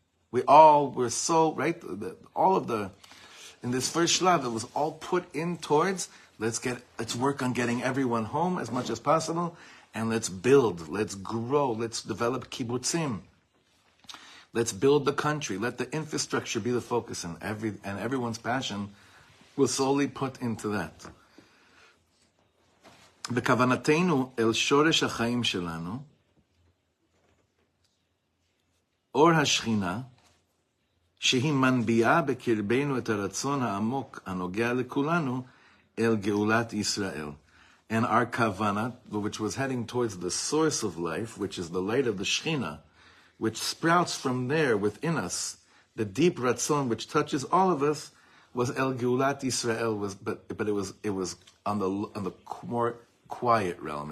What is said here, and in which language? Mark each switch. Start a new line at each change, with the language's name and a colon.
English: We all were so, right? All of the, in this first shlav, it was all put in towards, let's work on getting everyone home as much as possible, and let's build, let's grow, let's develop kibbutzim. Let's build the country, let the infrastructure be the focus, and everyone's passion was solely put into that.
Hebrew: Bekavanateinu el shoresh ha-chaim shelanu, or ha-shchina, שהיא מנביעה בקרבנו את הרצון העמוק הנוגע לכולנו אל גאולת ישראל.
English: And our kavana, which was heading towards the source of life, which is the light of the Shechina, which sprouts from there within us, the deep ratzon which touches all of us, was
Hebrew: el geulat Yisrael,
English: but it was on the more quiet realm.